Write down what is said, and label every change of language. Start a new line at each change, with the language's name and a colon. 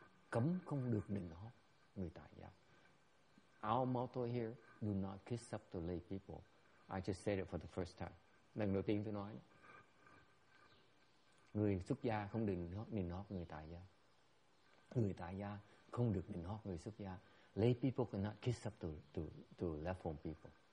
Vietnamese: Cấm không được nịnh hót người tại gia.
English: Our motto here, do not kiss up to lay people. I just said it for the first time.
Vietnamese: Lần đầu tiên tôi nói. Người xuất gia không được nịnh hót người tại gia. Người tại gia không được nịnh hót người xuất gia.
English: Lay people cannot kiss up to left-home people.